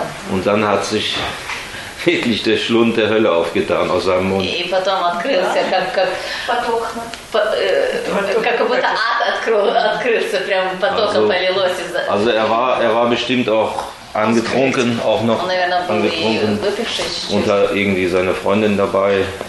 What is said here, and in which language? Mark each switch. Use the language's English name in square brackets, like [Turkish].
[German] Und dann hat sich wirklich der Schlund der Hölle aufgetan aus seinem Mund. [Russian] И потом открылся как будто ад открылся, прям потоком полилось. [German] Also er war bestimmt auch angetrunken, auch noch angetrunken, und da irgendwie seine Freundin dabei.